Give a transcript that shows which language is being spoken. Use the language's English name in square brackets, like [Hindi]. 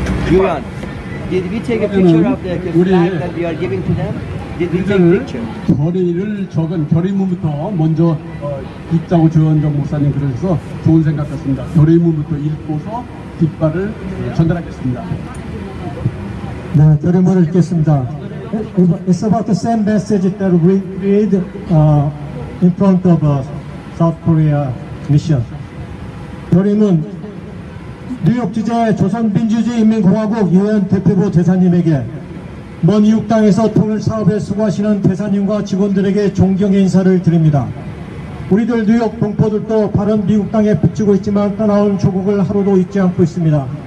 [English] 유연, did we take a picture of the flag that we are giving to them? [Korean] 우리는 결의를 적은 결의문부터 먼저 읽자고 조현정 목사님 그러셔서 좋은 생각 같습니다. 결의문부터 읽고서 깃발을 전달하겠습니다. 네, 결의문을 읽겠습니다. [English] It's about the same message that we read in front of South Korea mission. [Korean] 결의문, 뉴욕지자의 조선민주주의인민공화국 유엔 대표부 대사님에게 먼 이웃땅에서 통일 사업에 수고하시는 대사님과 직원들에게 존경의 인사를 드립니다. 우리들 뉴욕 동포들도 바른 미국 땅에 붙이고 있지만 떠나온 조국을 하루도 잊지 않고 있습니다.